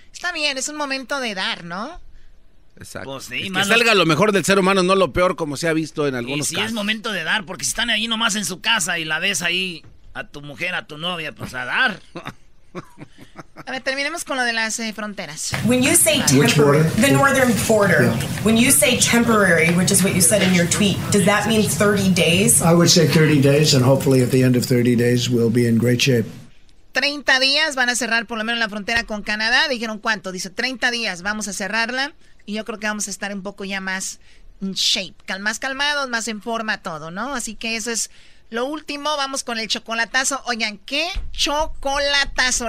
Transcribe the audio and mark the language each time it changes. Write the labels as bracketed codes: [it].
[es] Está bien, es un momento de dar, ¿no? Exacto. Pues sí, que salga lo mejor del ser humano, no lo peor, como se ha visto en algunos casos. Y es momento de dar, porque si están ahí nomás en su casa y la ves ahí a tu mujer, a tu novia, pues a dar. A ver, terminemos con lo de las fronteras. [en] When you say temporary, the northern border, yeah. When you say temporary, which is what you said in your tweet, does that mean 30 days? I would say 30 days, and hopefully at the end of 30 days we'll be in great shape. [es] 30 días van a cerrar por lo menos la frontera con Canadá. Dijeron cuánto. Dice 30 días vamos a cerrarla. Y yo creo que vamos a estar un poco ya más [en] in shape. [es] Más calmados, más en forma todo, ¿no? Así que eso es lo último. Vamos con el chocolatazo. Oigan, ¿qué chocolatazo?